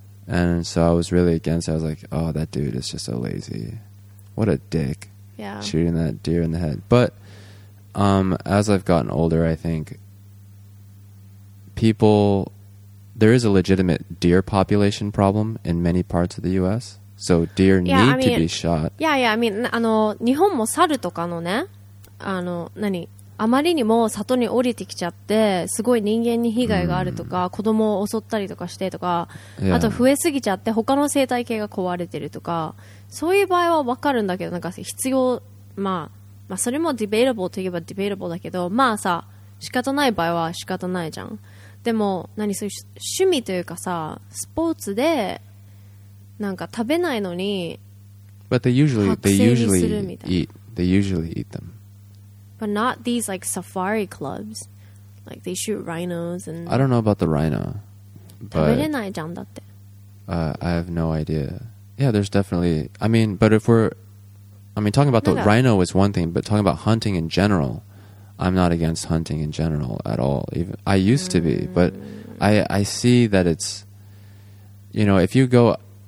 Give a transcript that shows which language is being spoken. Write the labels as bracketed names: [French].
[English] And so I was really against it. I was like, oh, that dude is just so lazy. What a dick. Yeah. Shooting that deer in the head. But as I've gotten older, I think people, there is a legitimate deer population problem in many parts of the U.S. So deer need to be shot. Yeah, yeah. I mean, [Japanese] 日本も猿とかのね、何あまりにも里に降りてきちゃってすごい人間に被害があるとか、子供を襲ったりとかしてとか、あと増えすぎちゃって他の生態系が壊れてるとか、そういう場合は分かるんだけど、なんか必要、まあそれもディベイラブルといえばディベイラブルだけど、まあさ仕方ない場合は仕方ないじゃん。でも何そういう趣味というかさ、スポーツでなんか食べないのに [English] But they usually eat them But not these like safari clubs. Like they shoot rhinos and... I don't know about the rhino. But, [Japanese] 食べれないじゃんだって。 [English] I have no idea. Yeah, there's definitely... I mean, but if we're... I mean, talking about the rhino is one thing, but talking about hunting in general, I'm not against hunting in general at all. Even, I used to be, but I see that it's... You know, if you go...